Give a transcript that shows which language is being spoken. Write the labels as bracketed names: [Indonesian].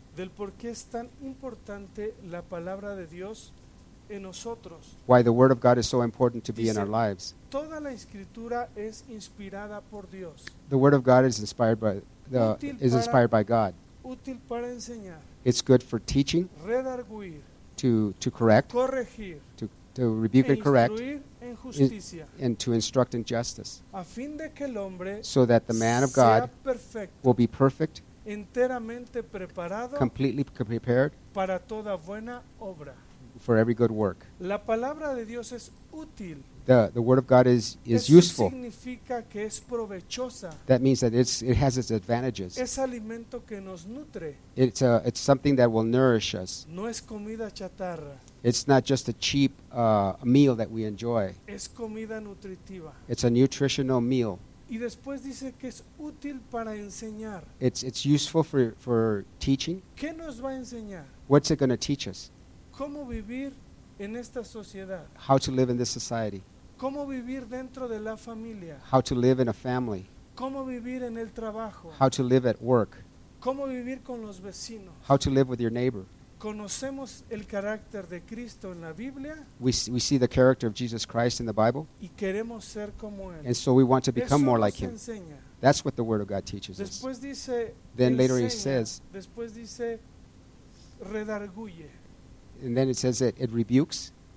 [Spanish] del por qué es tan importante la palabra de Dios en nosotros. [English] Why the word of God is so important to be in our lives. [Spanish] Toda la escritura es inspirada por Dios. [English] The word of God is inspired by is inspired by God. [Spanish] Útil para enseñar. [English] It's good for teaching. [Spanish] Redarguir. [English] To correct. [Spanish] Corregir. [English] To rebuke and correct. [Spanish] En justicia. [English] And to instruct in justice. [Spanish] A fin de que el hombre [English] so that the man of God [Spanish] perfecto, [English] will be perfect. [Spanish] Enteramente preparado. [English] Completely prepared. [Spanish] Para toda buena obra. [English] For every good work. [Spanish] La palabra de Dios es útil. [English] The word of God is [Spanish] eso [English] useful. [Spanish] Significa que es provechosa. [English] That means that it has its advantages. [Spanish] Es alimento que nos nutre. [English] It's something that will nourish us. [Spanish] No es comida chatarra. [English] It's not just a cheap meal that we enjoy. [Spanish] Es comida nutritiva. [English] It's a nutritional meal. [Spanish] Y después dice que es útil para enseñar. [English] It's useful for teaching. [Spanish] ¿Qué nos va a enseñar? [English] What's it going to teach us? [Spanish] ¿Cómo vivir en esta sociedad? [English] How to live in this society. [Spanish] ¿Cómo vivir dentro de la familia? [English] How to live in a family. [Spanish] ¿Cómo vivir en el trabajo? [English] How to live at work. [Spanish] ¿Cómo vivir con los vecinos? [English] How to live with your neighbor. [Spanish] ¿Conocemos el carácter de Cristo en la Biblia? [English] We see the character of Jesus Christ in the Bible. [Spanish] Y queremos ser como él. [English] And so we want to become [Spanish] eso [English] more like him. [Spanish] Enseña. [English] That's what the word of God teaches [Spanish] después [English] us. [Spanish] Dice, [English] then [Spanish] enseña, [English] later he says, [Spanish] después dice, redarguye. [English] And then it says it rebukes.